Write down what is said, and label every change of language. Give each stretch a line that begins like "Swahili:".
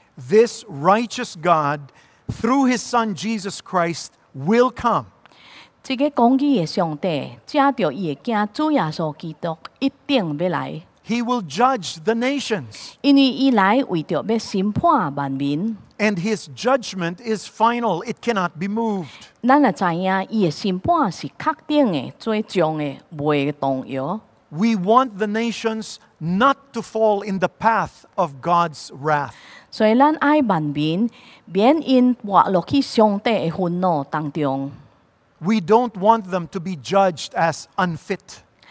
English: This righteous God, through his Son Jesus Christ, will come.
Min Nan Chinese: 这个公义的上帝，借着伊的子主耶稣基督，一定要来。
English: He will judge the nations.
Min Nan Chinese: 因为伊来为着要审判万民。
English: And his judgment is final; it cannot be moved.
Min Nan Chinese: 咱也知影，伊的审判是确定的、最终的、未动摇。
English: We want the nations not to fall in the path of God's wrath.
Min Nan Chinese: 所以咱爱万民，免因滑落去上帝的愤怒当中。
English: We don't want them to be judged as unfit.